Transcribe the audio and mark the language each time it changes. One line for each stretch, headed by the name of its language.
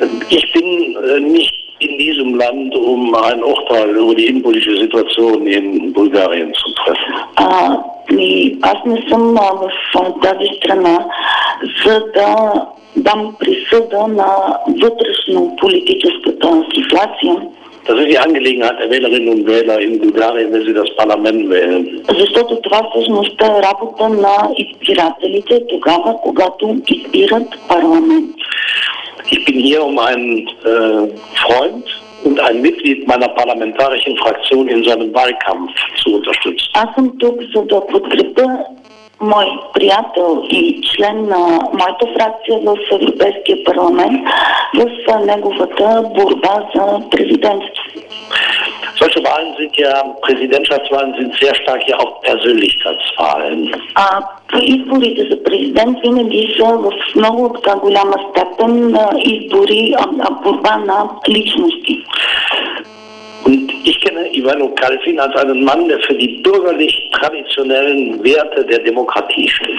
German: Ich bin nicht in diesem Land, um ein Urteil über die innenpolitische Situation in Bulgarien zu treffen.
Bulgarian: Аз не съм в тази страна, за да дам присъда на вътрешно-политическата ситуация.
German: Das ist die Angelegenheit der Wählerinnen und Wähler in Bulgarien, wenn sie das Parlament wählen.
Bulgarian: Защото това всъщност е работа на избирателите тогава, когато избират парламент.
German: Ich bin hier, um einen Freund und ein Mitglied meiner parlamentarischen Fraktion in seinem Wahlkampf zu unterstützen.
Bulgarian: Аз съм тук, за да подкрепя мой приятел и член на моята фракция в Европейския парламент в неговата борба за президентство.
German: Solche Wahlen sind ja, Präsidentschaftswahlen sind sehr stark ja auch Persönlichkeitswahlen.
Bulgarian: Изборите за президент винаги са в много така голяма степен избори, борба на личности.
German: Und ich kenne Ivano Kalfin als einen Mann, der für die bürgerlich traditionellen Werte der Demokratie